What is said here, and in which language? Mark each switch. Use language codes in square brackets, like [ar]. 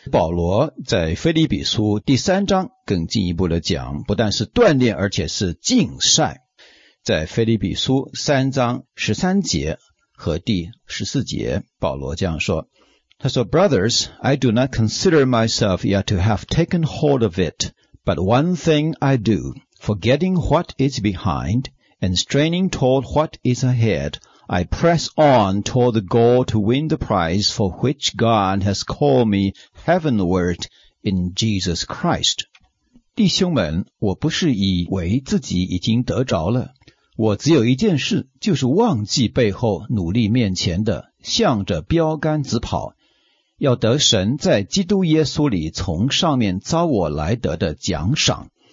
[zh] 保罗在腓立比书第三章更进一步的讲，不但是锻炼，而且是竞赛。在腓立比书三章十三节和第十四节，保罗这样说，他说 [en] Brothers, I do not consider myself yet to have taken hold of it, but one thing I do, forgetting what is behind and straining toward what is ahead, I press on toward the goal to win the prize for which God has called me heavenward in Jesus Christ. [zh] 弟兄们，我不是以为自己已经得着了，我只有一件事，就是忘记背后，努力面前的，向着标杆直跑，要得神在基督耶稣里从上面召我来得的奖赏。